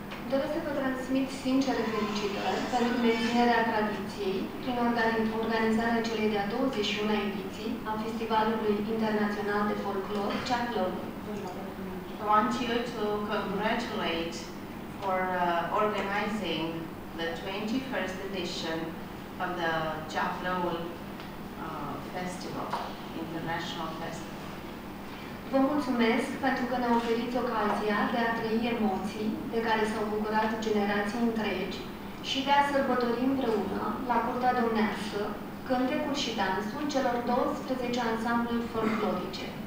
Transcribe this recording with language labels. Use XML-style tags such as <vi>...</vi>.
<ro>Doresc să vă transmit sincere felicitări pentru menținerea tradiției prin organizarea celei de-a 21-a ediții a Festivalului Internaţional de Folclor, Ceahlăul.</ro> <en>I want you to congratulate for organizing the 21st edition of the Ceahlăul Festival, International Festival.</en> <ro>Vă mulțumesc pentru că ne oferiți ocazia de a trăi emoții de care s-au bucurat generații întregi și de a sărbători împreună, la curtea dumneavoastră, cântecul și dansul celor 12 ansambluri folclorice.</ro>